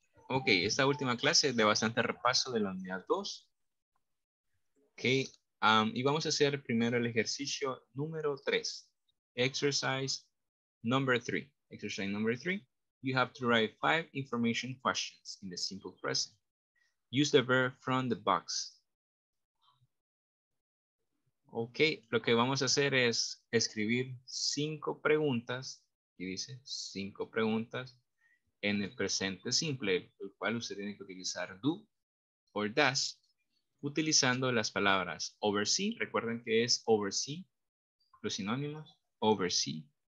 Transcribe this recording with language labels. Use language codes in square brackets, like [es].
[es] Ok, esta última clase es de bastante repaso de la unidad 2. Ok, y vamos a hacer primero el ejercicio número 3. [en] Exercise number 3. Exercise number three, you have to write five information questions in the simple present. Use the verb from the box. [es] Ok, lo que vamos a hacer es escribir cinco preguntas, y dice cinco preguntas en el presente simple, el cual usted tiene que utilizar do o does, utilizando las palabras oversee, recuerden que es oversee, los sinónimos, oversee.